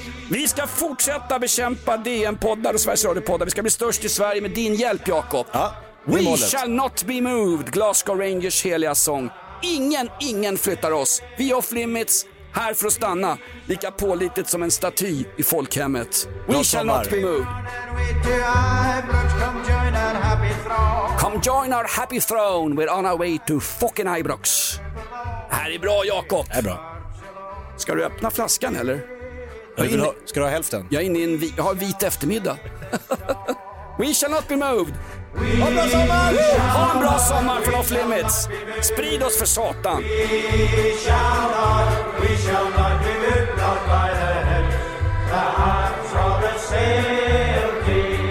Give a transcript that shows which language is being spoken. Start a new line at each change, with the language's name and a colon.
Swedish: Vi ska fortsätta bekämpa DN-poddar och Sveriges Radio-poddar. Vi ska bli störst i Sverige med din hjälp, Jakob. Ja,
English: we shall not be moved.
Swedish: Glasgow Rangers heliga sång. Ingen flyttar oss. Vi är Off Limits. Här för att stanna, lika pålitligt som en staty i folkhemmet.
English: We Not shall not be moved. Come join our happy throne. We're on our way to fucking Ibrox.
Swedish: Här är bra, Jakob. Är bra. Ska du öppna flaskan eller? Ska du ha hälften? Jag är inne i en vit eftermiddag.
English: We shall not be moved.
Swedish: Ha en bra sommar! Ha en bra sommar från Off Limits! Sprid oss för satan!
English: We shall not be moved, not by the head, the heart from the safety.